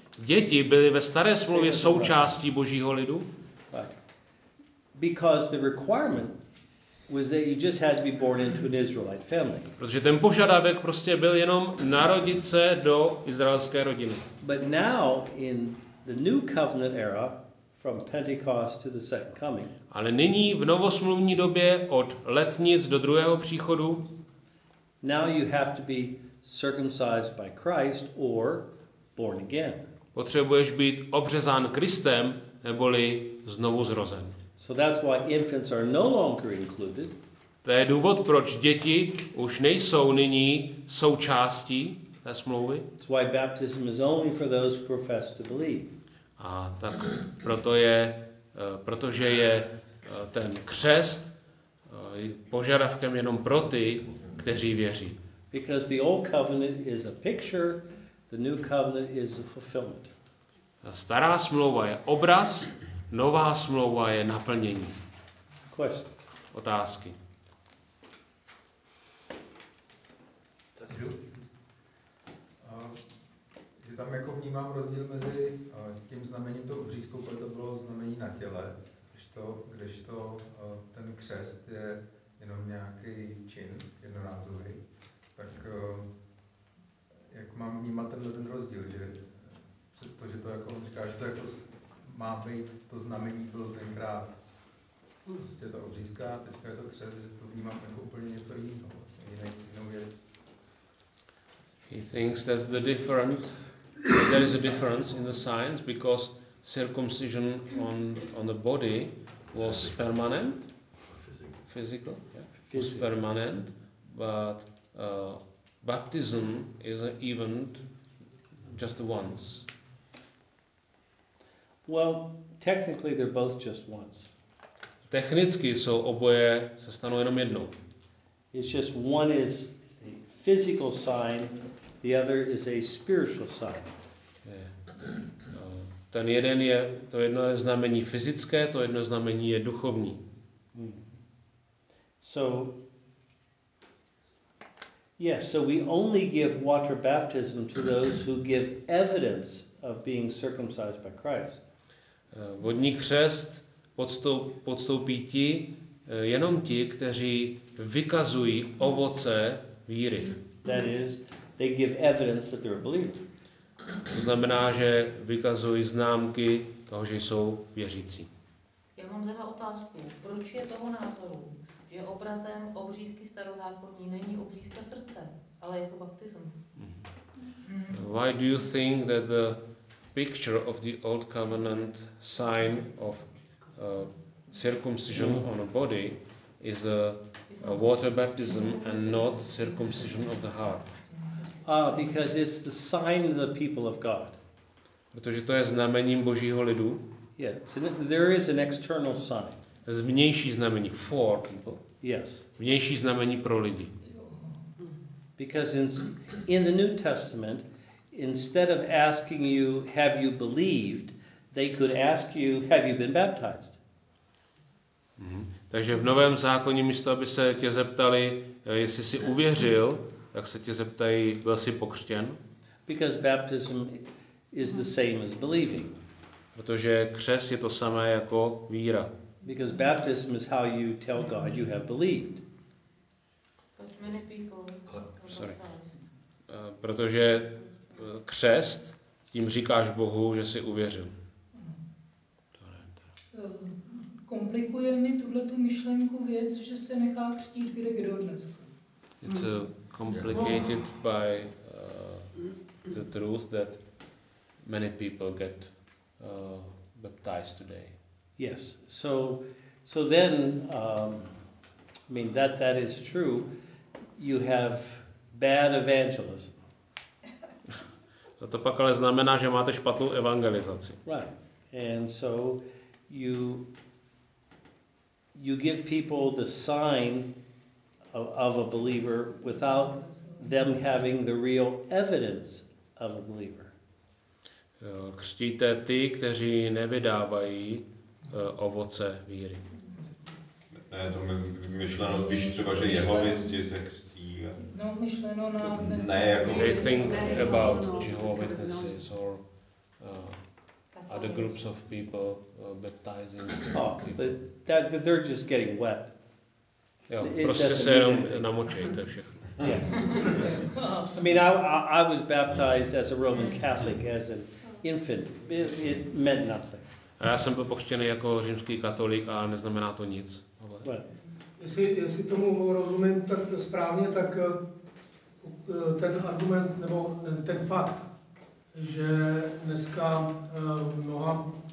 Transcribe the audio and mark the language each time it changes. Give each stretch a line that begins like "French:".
Czech: Děti byly ve staré smlouvě součástí Božího lidu.
English: Because the requirement was that you just had to be born into an Israelite family.
Czech: Protože ten požadavek prostě byl jenom narodit se do izraelské rodiny.
English: But now in the new covenant era from Pentecost to the second coming.
Czech: Ale nyní v novosmluvní době od letnic do druhého příchodu.
English: Now you have to be circumcised by Christ or born again.
Czech: Potřebuješ být obřezán Kristem neboli znovu zrozen.
English: So that's why infants are no longer included.
Czech: To je důvod, proč děti už nejsou nyní součástí té smlouvy.
English: That's why baptism is only for those who profess to believe.
Czech: A tak proto je, protože je ten křest požadavkem jenom pro ty, kteří věří.
English: Because the old covenant is a picture, the new covenant is a fulfillment.
Czech: Stará smlouva je obraz, nová smlouva je naplnění.
English: Questions.
Czech: Otázky. Takže tam jako vnímám rozdíl mezi tím znamením toho obřízku, protože to bylo znamení na těle, když to ten křest je jenom nějaký čin jednorázový, tak jak mám vnímat ten rozdíl, že to jako on říká, že to jako má být to znamení, bylo tenkrát prostě ta obřízka, teďka je to křest, že to vnímám jako úplně něco jiného, vlastně jinou věc.
English: He thinks that's the difference. There is a difference in the signs because circumcision on the body was permanent, physical, yeah, was permanent, but baptism is an event just once. Well, technically they're both just once.
Czech: Technicky jsou oboje se stanou jenom jednou.
English: It's just one is a physical sign, the other is a spiritual sign.
Czech: Ten jeden je, to jedno je znamení fyzické, to jedno znamení je duchovní.
English: So, yes, so we only give water baptism to those who give evidence of being circumcised by Christ.
Czech: Vodní křest podstoupí ti, jenom ti, kteří vykazují ovoce víry.
English: That is, they give evidence that they're a believer.
Czech: To znamená, že vykazují známky toho, že jsou věřící. Já mám teda otázku. Proč je toho názoru, že obrazem obřízky starozákonní není obřízka srdce, ale je to baptism?
English: Why do you think that the picture of the old covenant sign of circumcision on a body is a water baptism and not circumcision of the heart? Because it's the sign of the people of God.
Czech: Protože to je znamením Božího lidu.
English: Yeah, there is an external sign.
Czech: Vnější znamení
English: for people. Yes.
Czech: Vnější znamení pro lidi.
English: Because in the New Testament, instead of asking you have you believed, they could ask you have you been baptized. Mm-hmm.
Czech: Takže v Novém zákoně místo, aby se tě zeptali, jestli jsi uvěřil, tak se tě zeptají, byl jsi pokřtěn?
English: Because baptism is the same as believing.
Czech: Protože křest je to samé jako víra.
English: Because baptism is how you tell God you have believed. But many people... Sorry.
Czech: Protože křest, tím říkáš Bohu, že jsi uvěřil. Komplikuje mi tuhle tu myšlenku věc, že se nechá křtít kde kdo dneska.
English: It's complicated by the truth that many people get baptized today. Yes. So then I mean that is true. You have bad evangelism.
Czech: A to pak ale znamená, že máte špatnou evangelizaci.
English: Right. And so you give people the sign of a believer without them having the real evidence of a believer.
Czech: Křtíte ty, kteří nevydávají ovoce víry. Ne, to myšleno spíš třeba, že jehovisti se křtí. No, myšleno na... Ne, jako...
English: They think about jehovitnesses or other groups of people baptizing. Oh, but that they're just getting wet.
Czech: Jo, it prostě se jenom namočej, to je všechno.
English: Yeah. I mean, I was baptized as a Roman Catholic, as an infant. It meant nothing.
Czech: A já jsem byl pokřtěný jako římský katolík a neznamená to nic. Jestli tomu rozumím tak správně, tak ten argument nebo ten fakt, že dneska mnoha